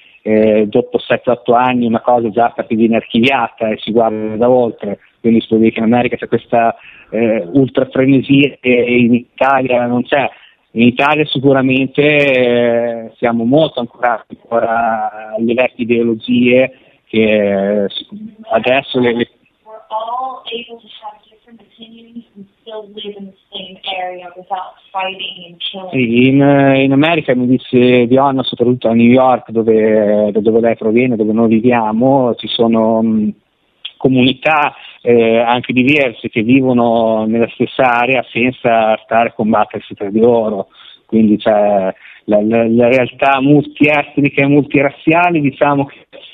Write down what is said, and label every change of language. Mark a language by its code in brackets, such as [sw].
[it] Dopo 7-8 anni una cosa già viene archiviata e si guarda da oltre. Quindi si può dire che in America c'è questa ultra frenesia e in Italia non c'è. In Italia sicuramente siamo molto ancorati ancora alle vecchie ideologie che adesso le [en] we're all able to have different opinions and still live in the same area without fighting and killing. [it] In America, mi dice Dionna, soprattutto a New York, da dove lei proviene, dove noi viviamo, ci sono comunità anche diverse che vivono nella stessa area senza stare a combattersi tra di loro, quindi c'è la realtà multietnica e multirazziale, diciamo che